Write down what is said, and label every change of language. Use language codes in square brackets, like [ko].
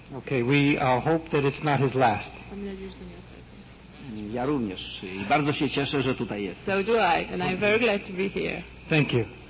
[en] Okay, we hope that it's not his last. [pl] Ja również i bardzo się cieszę, że tutaj jest. [en] So do I, and I'm very glad to be here. Thank you.